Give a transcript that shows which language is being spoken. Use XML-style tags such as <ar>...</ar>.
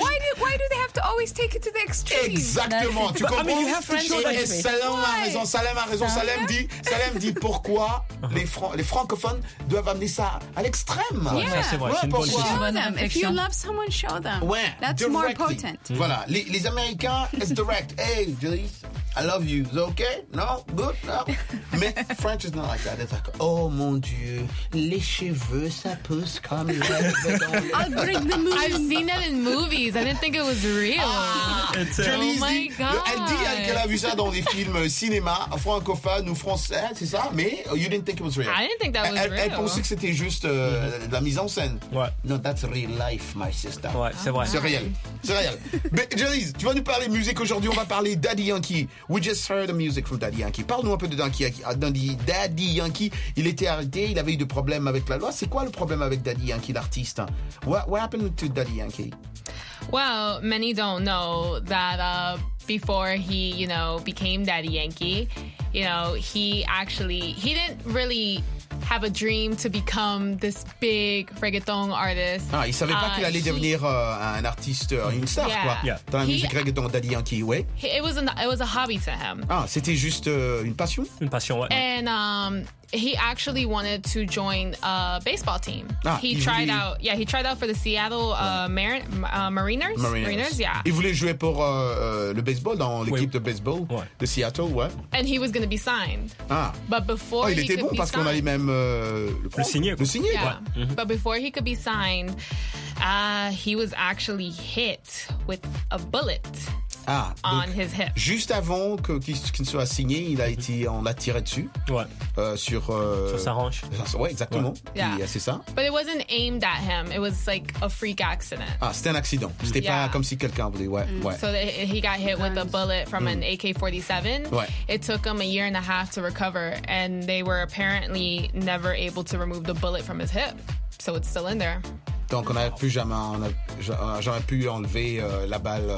<en>Why do they have to always take it to the extreme?</en> <fr>Exactement. Tu comprends?</fr> <en>You have French.</en> <fr>Salem a raison. Salem dit pourquoi les francophones doivent amener ça à l'extrême.</fr> <en>Yeah.</en> <fr>Ça, c'est vrai. Ouais, c'est</fr> <en>show them. If you love someone, show them.</en> <fr>Ouais.</fr> <en>That's more potent.</en> <fr>Voilà. Les Américains,</fr> <en>it's direct. Hey, Julie. I love you. Is it okay? No? Good? No?</en> <fr>Mais</fr> <en>French is not like that. It's like,</en> <fr>oh mon Dieu, les cheveux, ça pousse comme les</fr> <en>I'll break the moon. I've seen that in movies. I didn't think it was real. Ah, oh my God.</en> <fr>Elle dit qu'elle a vu ça dans des films cinéma francophones ou français, c'est ça? Mais</fr> <en>you didn't think it was real. I didn't think that was</en> <fr>elle,</fr> <en>real.</en> <fr>Elle pensait que c'était juste de la mise en scène. Ouais.</fr> <en>No, that's real life, my sister.</en> <fr>Ouais, c'est vrai. C'est réel. C'est réel. Mais Janice, tu vas nous parler musique aujourd'hui. On va parler Daddy Yankee.</fr> <en>We just heard the music from Daddy Yankee.</en> <fr>Parle-nous un peu de Daddy Yankee. Il était arrêté, il avait eu des problèmes avec la loi. C'est quoi le problème avec Daddy Yankee, l'artiste?</fr> <en>What happened to Daddy Yankee? Well, many don't know that before he, you know, became Daddy Yankee, you know, he didn't really have a dream to become this big reggaeton artist.</en> <fr>Ah, il savait pas qu'il allait devenir un artiste, une star,</fr> <en>yeah,</en> <fr>quoi.</fr> <en>Yeah.</en> <fr>Dans la musique reggaeton, Daddy Yankee, ouais.</fr> <en>It was a hobby to him.</en> <fr>Ah, c'était juste une passion? Une passion, ouais.</fr> <en>And he actually wanted to join a baseball team. Ah, he tried out for the Seattle Mariners, yeah.</en> <fr>Il voulait jouer pour le baseball, dans l'équipe de baseball de Seattle, ouais.</fr> <en>And he was going to be signed. Ah. But before</en> <fr>il était bon parce qu'on allait même le signer.</fr> <en>Yeah.</en> <fr>Ouais.</fr> <en>Mm-hmm. But before he could be signed, he was actually hit with a bullet. Ah, on his hip.</en> <fr>Juste avant qu'il soit signé, on l'a tiré dessus. Ouais. Sur sa hanche. Ouais, exactement. Ouais. Yeah. C'est ça.</fr> <en>But it wasn't aimed at him. It was like a freak accident.</en> <fr>Ah, c'était un accident. C'était pas comme si quelqu'un voulait. Ouais. Mm. Ouais.</fr> <en>So he got hit with a bullet from an AK-47.</en> <fr>Ouais.</fr> <en>It took him a year and a half to recover, and they were apparently never able to remove the bullet from his hip, so it's still in there.</en> <fr>Donc on n'avait plus jamais, j'aurais pu enlever la balle.</fr>